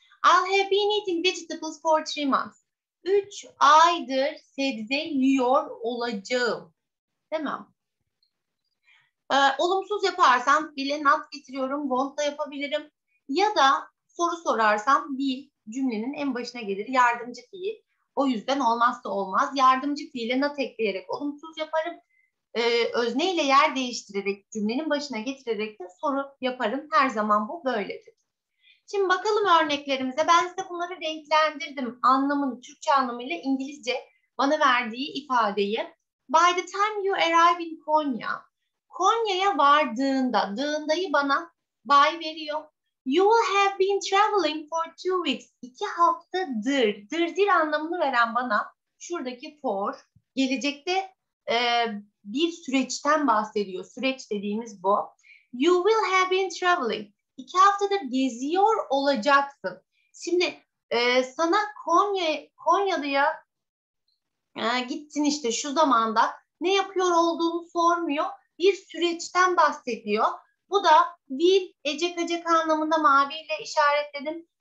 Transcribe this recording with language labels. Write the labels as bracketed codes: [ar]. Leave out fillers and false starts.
[en] I'll have been eating vegetables for 3 months. [tr] 3 aydır sebze yiyor olacağım. Tamam. Olumsuz yaparsam bile not getiriyorum, won't da yapabilirim. Ya da soru sorarsam will cümlenin en başına gelir. Yardımcı fiil. O yüzden olmazsa olmaz. Yardımcı fiile not ekleyerek olumsuz yaparım. Özne ile yer değiştirerek cümlenin başına getirerek de soru yaparım. Her zaman bu böyledir. Şimdi bakalım örneklerimize. Ben size bunları renklendirdim. Anlamını, Türkçe anlamıyla İngilizce bana verdiği ifadeyi. [en] By the time you arrive in Konya. [tr] Konya'ya vardığında, dığındayı bana by veriyor. [en] You will have been traveling for 2 weeks. [tr] 2 haftadır. Dırdır anlamını veren bana şuradaki for. Gelecekte bir süreçten bahsediyor. Süreç dediğimiz bu. [en] You will have been traveling. [tr] 2 haftadır geziyor olacaksın. Şimdi sana Konya'ya gittin işte şu zamanda ne yapıyor olduğunu sormuyor. bir süreçten bahsediyor. Bu da will, ecek ecek anlamında maviyle işaretledim.